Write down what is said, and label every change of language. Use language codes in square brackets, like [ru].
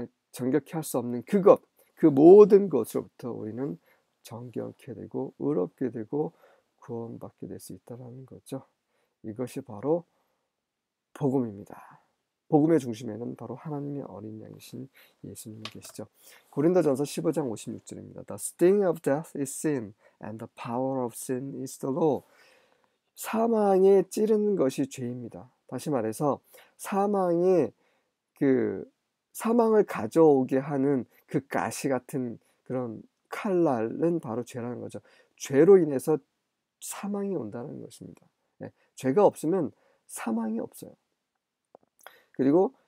[ko] 정결케 할수 없는 그것, 그 모든 것으로부터 우리는 정결케 되고 의롭게 되고 구원받게 될수 있다는 거죠. 이것이 바로 복음입니다. 복음의 중심에는 바로 하나님의 어린 양이신 예수님이 계시죠. 고린도전서 15장 56절입니다. [en] The sting of death is sin, and the power of sin is the law. [ko] 사망에 찌르는 것이 죄입니다. 다시 말해서 사망을 가져오게 하는 그 가시 같은 그런 칼날은 바로 죄라는 거죠. 죄로 인해서 사망이 온다는 것입니다. 네, 죄가 없으면 사망이 없어요. 그리고